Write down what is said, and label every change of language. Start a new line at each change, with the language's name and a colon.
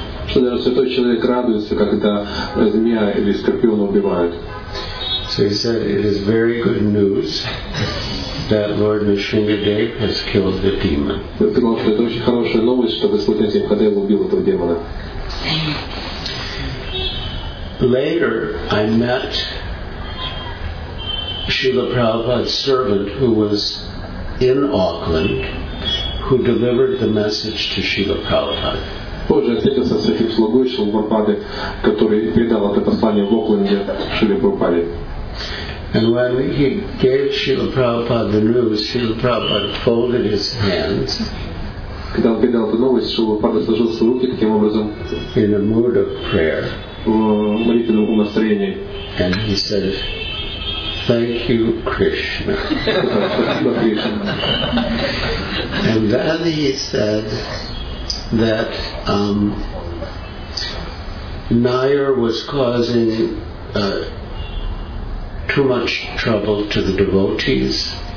Russian: Что даже святой человек радуется, когда змея или скорпион убивают.
English: So he said, it is very good news that Lord Nrisimhadev has killed the demon.
Russian: Это очень хорошая новость, что Господь Нрисимхадев убил этого демона.
English: Later, I met Srila Prabhupada's servant who was in Auckland, who delivered the message to Srila Prabhupada.
Russian: Позже встретился с этим слугой Шрилы Прабхупады, который передал это послание в Окленде Шриле Прабхупаде.
English: And when he gave Srila Prabhupada the news, Srila Prabhupada folded his hands.
Russian: Когда он передал эту новость, Шрила Прабхупада сложил свои руки таким образом.
English: In a mood of prayer.
Russian: В молитвенном настроении.
English: And he said, "Thank you, Krishna."
Russian: Спасибо, Кришна.
English: And then he said that Nair was causing too much trouble to the devotees.